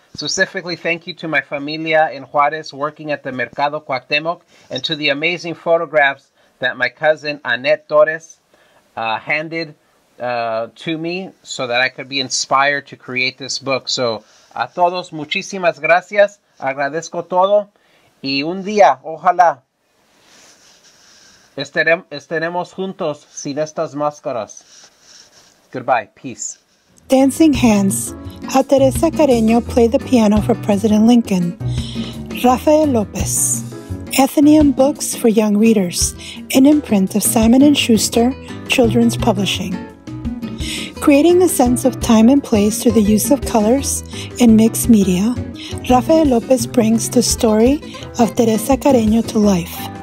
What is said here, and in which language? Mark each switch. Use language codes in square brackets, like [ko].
[en] Specifically, thank you to my familia in Juarez working at the Mercado Cuauhtemoc, and to the amazing photographs that my cousin Annette Torres handed to me so that I could be inspired to create this book. [es] So, a todos, muchísimas gracias. Agradezco todo. Y un día, ojalá, estaremos juntos sin estas máscaras. [en] Goodbye. Peace. Dancing Hands. How Teresa Carreño played the piano for President Lincoln. Rafael Lopez. Athenaeum Books for Young Readers, an imprint of Simon & Schuster Children's Publishing. Creating a sense of time and place through the use of colors and mixed media, Rafael Lopez brings the story of Teresa Carreño to life.